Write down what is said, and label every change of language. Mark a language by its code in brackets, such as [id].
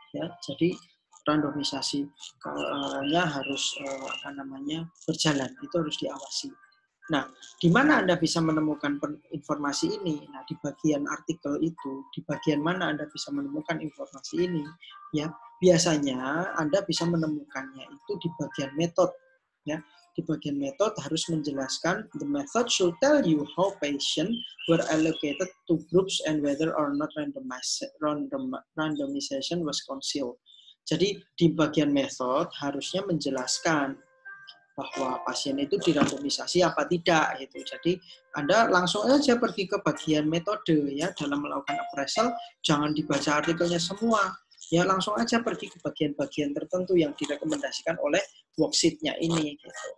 [id] Ya, jadi randomisasinya harus berjalan, itu harus diawasi. Nah, di mana Anda bisa menemukan informasi ini? Nah, di bagian artikel itu, di bagian mana Anda bisa menemukan informasi ini? Ya, biasanya Anda bisa menemukannya itu di bagian metode. Ya, di bagian metode harus menjelaskan [en] the method should tell you how patients were allocated to groups and whether or not randomization was concealed. [id] Jadi di bagian metode harusnya menjelaskan bahwa pasien itu dirandomisasi apa tidak gitu. Jadi Anda langsung aja pergi ke bagian metode ya dalam melakukan appraisal, jangan dibaca artikelnya semua. Ya langsung aja pergi ke bagian-bagian tertentu yang direkomendasikan oleh worksheet-nya ini gitu.